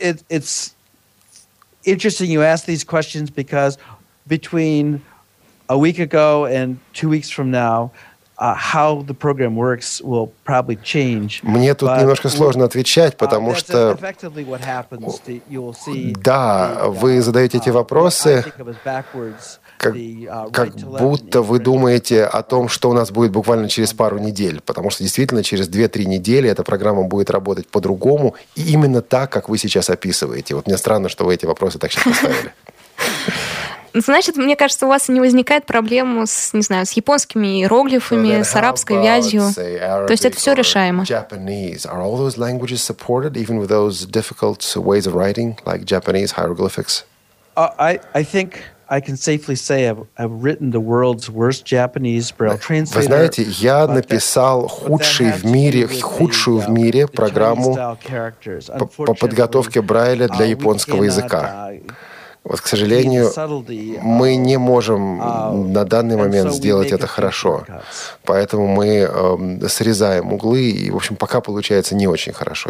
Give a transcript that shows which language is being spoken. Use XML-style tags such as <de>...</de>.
<en>It's interesting you ask these questions because between a week ago and 2 weeks from now, how the program works will probably change.</en> <ru>Мне тут немножко сложно отвечать, потому что...</ru> <en>Effectively what happens, you will see...</en> <ru>Да, вы задаете эти вопросы, как будто вы думаете о том, что у нас будет буквально через пару недель, потому что действительно через 2-3 недели эта программа будет работать по-другому, и именно так, как вы сейчас описываете. Вот мне странно, что вы эти вопросы так сейчас поставили. Значит, мне кажется, у вас не возникает проблем с, не знаю, с японскими иероглифами, с арабской вязью. То есть это все решаемо.</ru> <en>Japanese. Are all those languages supported, even with those difficult ways of writing, like Japanese hieroglyphics? I think I can safely say I've written the world's worst Japanese Braille translator.</en> <ru>Вы знаете, я написал худший в мире, худшую в мире программу по подготовке Брайля для японского языка. Вот, к сожалению, мы не можем на данный момент сделать это хорошо. Поэтому мы срезаем углы, и, в общем, пока получается не очень хорошо.</ru>